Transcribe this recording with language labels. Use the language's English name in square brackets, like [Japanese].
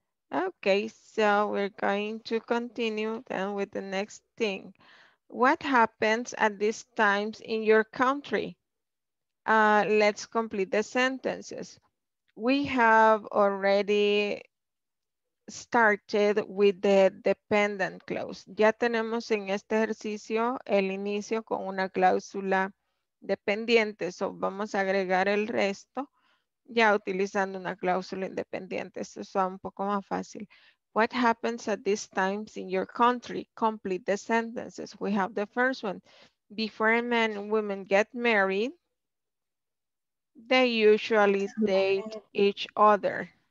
[English] Okay, so we're going to continue then with the next thing. What happens at these times in your country? Let's complete the sentences. We have already started with the dependent clause. [Spanish] Ya tenemos en este ejercicio el inicio con una cláusula dependiente. So vamos a agregar el resto ya utilizando una cláusula independiente. Esto es un poco más fácil. [English] What happens at these times in your country? Complete the sentences. We have the first one. Before a man and woman get married, they usually date each other.